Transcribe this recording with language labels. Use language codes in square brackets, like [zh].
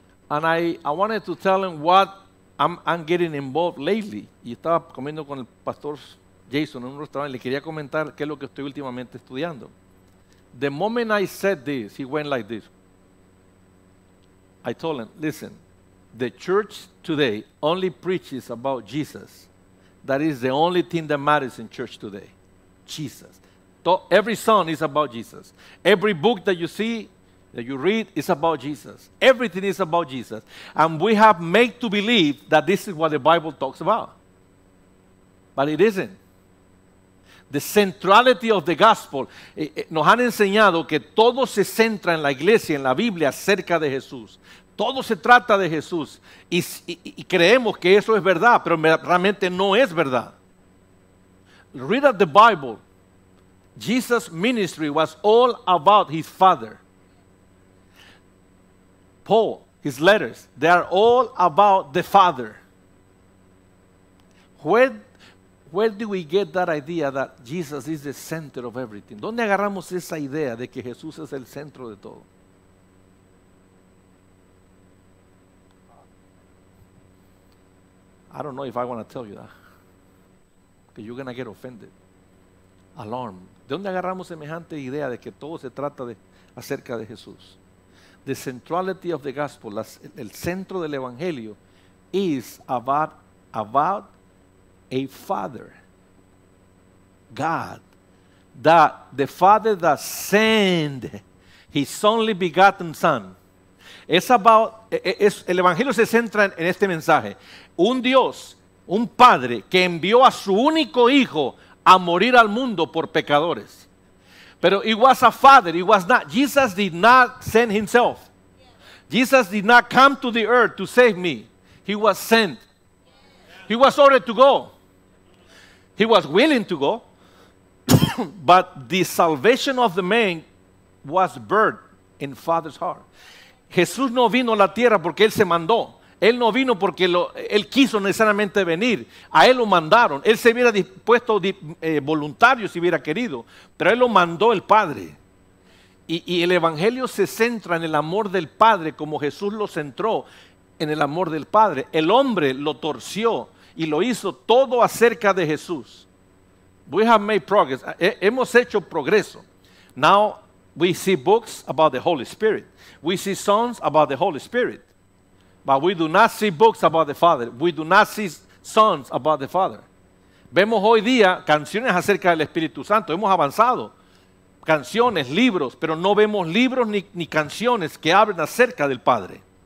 [en] And I wanted to tell him what I'm getting involved lately. [es] Y estaba comiendo con el Pastor Jason en un restaurante y le quería comentar qué es lo que estoy últimamente estudiando. [en] The moment I said this, he went like this. I told him, listen, the church today only preaches about Jesus. That is the only thing that matters in church today. Jesus. Every song is about Jesus. Every book that you see, that you read, is about Jesus. Everything is about Jesus. And we have made to believe that this is what the Bible talks about. But it isn't. The centrality of the gospel. [es] Nos han enseñado que todo se centra en la iglesia, en la Biblia, acerca de Jesús. Todo se trata de Jesús. Y creemos que eso es verdad, pero realmente no es verdad. [en] Read up the Bible. Jesus' ministry was all about his father. Paul, his letters, they are all about the father. Where do we get that idea that Jesus is the center of everything? [es] ¿Dónde agarramos esa idea de que Jesús es el centro de todo? [en] I don't know if I want to tell you that. Because you're going to get offended. Alarmed. [es] ¿De dónde agarramos semejante idea de que todo se trata de, acerca de Jesús? [en] The centrality of the gospel, [es] el centro del evangelio, [en] is about a father, God, that the father that sent his only begotten son. [es] El evangelio se centra en este mensaje. Un Dios, un padre que envió a su único hijo a morir al mundo por pecadores. Pero [en] it was a father. It was not. Jesus did not send himself. Yeah. Jesus did not come to the earth to save me. He was sent. Yeah. He was ordered to go. He was willing to go. But the salvation of the man was birthed in Father's heart. [es] Jesús no vino a la tierra porque él se mandó. Él no vino porque él quiso necesariamente venir. A él lo mandaron. Él se hubiera dispuesto voluntario si hubiera querido. Pero él lo mandó el Padre. Y el Evangelio se centra en el amor del Padre como Jesús lo centró en el amor del Padre. El hombre lo torció y lo hizo todo acerca de Jesús. [en] We have made progress. [es] Hemos hecho progreso. [en] Now we see books about the Holy Spirit. We see songs about the Holy Spirit. But we do not see books about the Father. We do not see songs about the Father. [es] Vemos hoy día canciones acerca del Espíritu Santo. Hemos avanzado. Canciones, libros, pero no vemos libros ni canciones que hablen acerca del Padre.